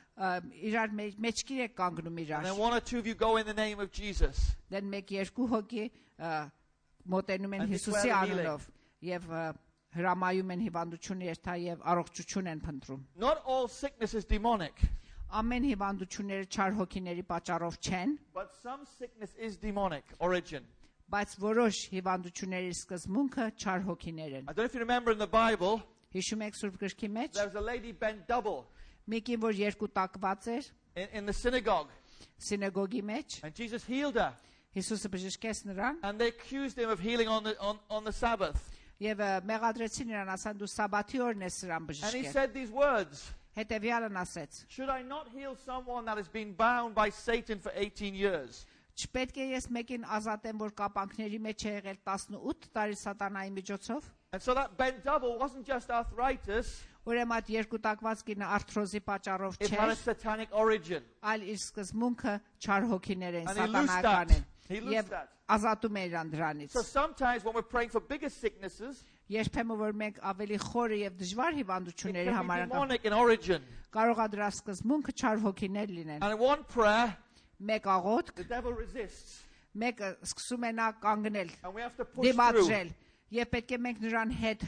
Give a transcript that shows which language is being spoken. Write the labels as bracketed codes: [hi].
[hy] Իրար մեջքիր եք կանգնում իրար։ [en] And then one or two of you go in the name of Jesus. [hy] Դեն մեկ երկու հոգի մոտենում են Հիսուսի անունով եւ հրամայում են հիվանդություն երթա եւ առողջություն են փնտրում։ [en] Not all sickness is demonic. [hy] Ամեն հիվանդությունները չար հոգիների պատճառով չեն։ [en] But some sickness is demonic origin. [hy] Բայց որոշ հիվանդությունների սկզբունքը չար հոգիներ են։ [en] I don't know if you remember in the Bible. [hy] Հիշում եք Սուրբ Գրքի մեջ։ [en] There was a lady bent double. [hy] Մեկի որ երկու տակված էր։ [en] In the synagogue. [hy] Սինագոգի մեջ։ [en] And Jesus healed her. [hy] Հիսուսը բժշկեց նրան։ [en] And they accused him of healing on the Sabbath. [hy] Եվ մեղադրեցին նրան, ասան դու Սաբաթի օրն ես նրան բժշկել։ [en] And he said these words. [hy] Հետևյալն ասեց. [en] Should I not heal someone that has been bound by Satan for 18 years? [hy] Չպետք է ես մեկին ազատեմ, որ կապանքների մեջ է եղել 18 տարի սատանայի միջոցով։ [en] And so that bent double wasn't just arthritis. [hy] Ուրեմն այդ երկու տակված կինը արթրոզի պատճառով չէ։ [en] It had a satanic origin. [hy] Այլ իր սկզբունքը չար հոգիներ են, սատանական են։ Եվ ազատում է իրան դրանից։ [en] So sometimes when we're praying for bigger sicknesses, [hy] երբեմն որ մենք ավելի խորը եւ դժվար հիվանդությունների համար ենք, կարող է դրա սկզբունքը չար հոգիներ լինել։ [en] And one prayer [hy] մեկ աղոթք մեկը սկսում է նա կանգնել դիմադրել եւ պետք է մենք նրան հետ